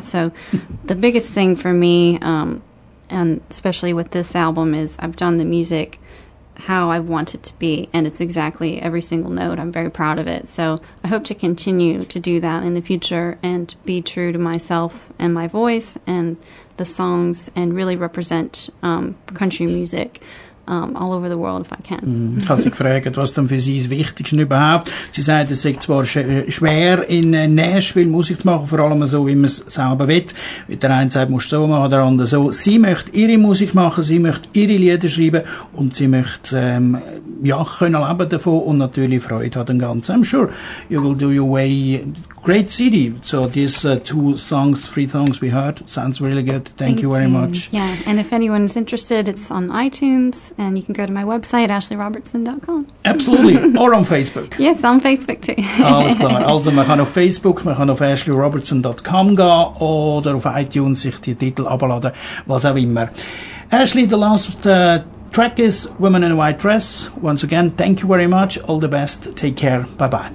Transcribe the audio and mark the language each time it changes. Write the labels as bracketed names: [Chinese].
[English] So the biggest thing for me, and especially with this album, is I've done the music how I want it to be, and it's exactly every single note. I'm very proud of it. So I hope to continue to do that in the future and be true to myself and my voice and the songs and really represent country music all over the world if I can. [German] Ich habe sie gefragt, was denn für sie das Wichtigste überhaupt? Sie sagt, es sei zwar schwer in Nashville Musik zu machen, vor allem so, wie man es selber will. Wie der eine sagt, musst du so machen, der andere so. Sie möchte ihre Musik machen, sie möchte ihre Lieder schreiben und sie möchte können leben davon und natürlich Freude an dem Ganzen. [English] I'm sure you will do your way. Great CD. So these three songs we heard sounds really good. Thank you very much. Yeah, and if anyone is interested, it's on iTunes, and you can go to my website, ashleyrobertson.com. Absolutely. Or on Facebook. Yes, on Facebook too. [German] Alles klar. Also man kann auf Facebook, man kann auf ashleyrobertson.com gehen oder auf iTunes sich die Titel abladen, was auch immer. [English] Ashley, the last track is Women in a White Dress. Once again, thank you very much. All the best. Take care. Bye-bye.